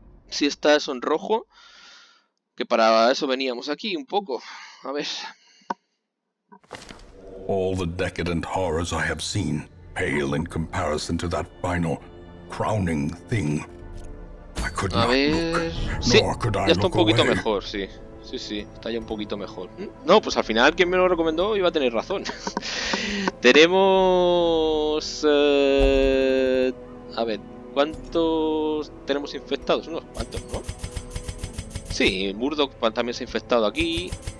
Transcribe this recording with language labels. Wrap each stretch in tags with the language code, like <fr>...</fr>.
<es>Si está eso en rojo, que para eso veníamos aquí un poco. A ver.</es> <en>All the decadent horrors I have seen pale in comparison to that final crowning thing. I could not look, sí, nor could I</en> <es>ya está un poquito</es> <en>away.</en> <es>Mejor, sí. Sí, sí, está ya un poquito mejor. No, pues al final quien me lo recomendó iba a tener razón. Tenemos a ver. ¿Cuántos tenemos infectados? Unos cuantos, ¿no? Sí, Murdoch también se ha infectado aquí.</es>